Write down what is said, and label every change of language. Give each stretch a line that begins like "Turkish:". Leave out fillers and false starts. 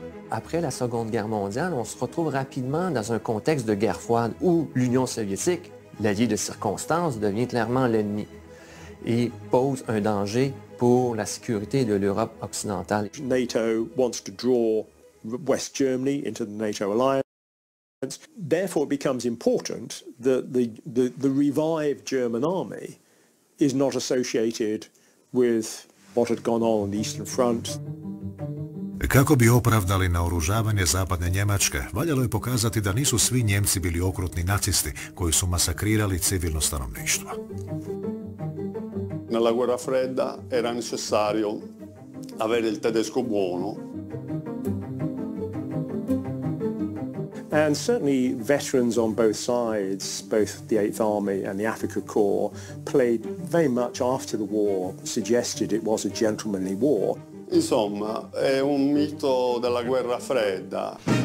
French: Après la Seconde Guerre mondiale, on se retrouve rapidement dans un contexte de guerre froide où l'Union soviétique, l'allié de circonstance, devient clairement l'ennemi et pose un danger pour la sécurité de l'Europe occidentale.
English: NATO wants to draw West Germany into the NATO alliance. Therefore, it becomes important that the revived German army is not associated with what had gone on the Eastern Front.
Croatian: Kako bi opravdali naoružavanje zapadne Njemačke, valjalo je pokazati da nisu svi Njemci bili okrutni nacisti koji su masakrirali civilno stanovništvo.
Italian: Nella guerra fredda era necessario avere il tedesco buono.
English: And certainly veterans on both sides, both the 8th Army and the Afrika Corps, played very much after the war, suggested it was a gentlemanly war.
Italian: Insomma, è un mito della guerra fredda.